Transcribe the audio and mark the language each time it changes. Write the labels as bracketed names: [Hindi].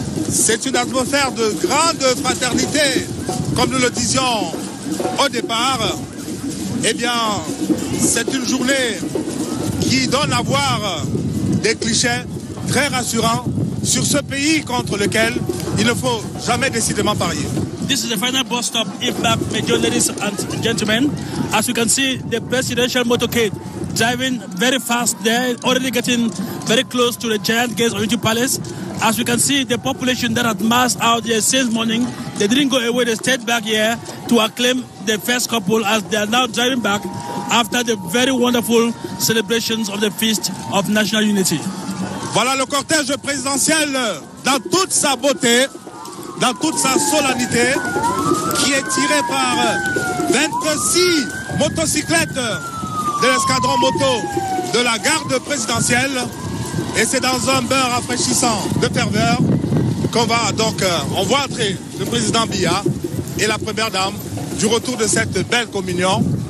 [French] C'est une atmosphère de grande fraternité, comme nous le disions au départ. Eh bien, c'est une journée qui donne à voir des clichés très rassurants sur ce pays contre lequel il ne faut jamais décidément parier. [English] This is the final bus stop, Yves Marc Major, ladies and gentlemen. As you can see, the presidential motorcade driving very fast there, already getting very close to the giant gates of Unity Palace. As we can see, the population that had massed out here since morning, they didn't go away, they stayed back here to acclaim the first couple as they are now driving back after the very wonderful celebrations of the Feast of National Unity. [French] Voilà le cortège présidentiel dans toute sa beauté, dans toute sa solennité, qui est tiré par 26 motocyclettes de l'escadron moto de la garde présidentielle. Et c'est dans un beurre rafraîchissant de ferveur qu'on va donc, on voit entrer le président Biya et la première dame du retour de cette belle communion.